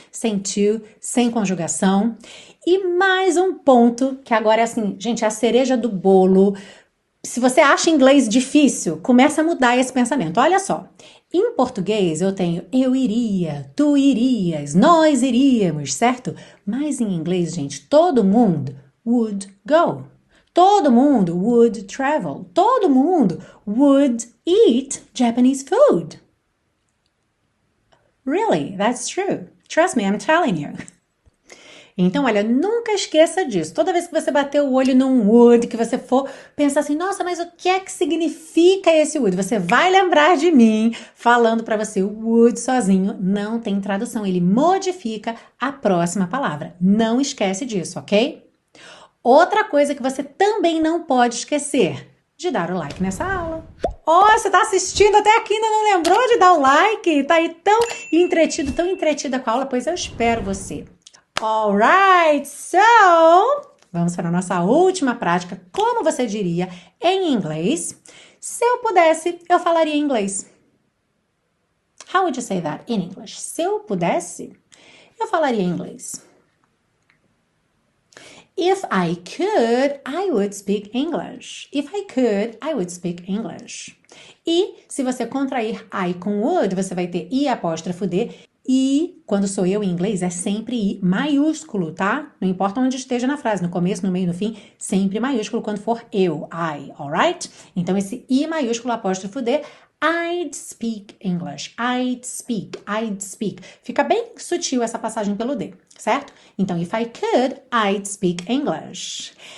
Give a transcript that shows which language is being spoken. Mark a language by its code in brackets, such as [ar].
[pt] Sem to, sem conjugação. E mais um ponto, que agora é assim, gente, a cereja do bolo. Se você acha inglês difícil, começa a mudar esse pensamento. Olha só. Em português, eu tenho eu iria, tu irias, nós iríamos, certo? Mas em inglês, gente, todo mundo [en] would go. [pt] Todo mundo [en] would travel. Todo mundo would eat Japanese food. Really, that's true. Trust me, I'm telling you. [pt] Então, olha, nunca esqueça disso. Toda vez que você bater o olho num would, que você for pensar assim, nossa, mas o que é que significa esse would? Você vai lembrar de mim falando pra você, o would sozinho não tem tradução. Ele modifica a próxima palavra. Não esquece disso, ok? Outra coisa que você também não pode esquecer, de dar o like nessa aula. Oh, você tá assistindo até aqui e ainda não lembrou de dar o like? Tá aí tão entretida com a aula? Pois eu espero você. [en] Alright, so, [pt] vamos para a nossa última prática, como você diria em inglês, se eu pudesse, eu falaria inglês. [en] How would you say that in English? [pt] Se eu pudesse, eu falaria inglês. [en] If I could, I would speak English. If I could, I would speak English. [pt] E se você contrair I com would, você vai ter I apóstrofo D. E quando sou eu em inglês, é sempre I maiúsculo, tá? Não importa onde esteja na frase, no começo, no meio, no fim, sempre maiúsculo quando for eu, I, alright? Então esse I maiúsculo apóstrofo D, [en] I'd speak English, I'd speak. [pt] Fica bem sutil essa passagem pelo D, certo? Então, [en] if I could, I'd speak English.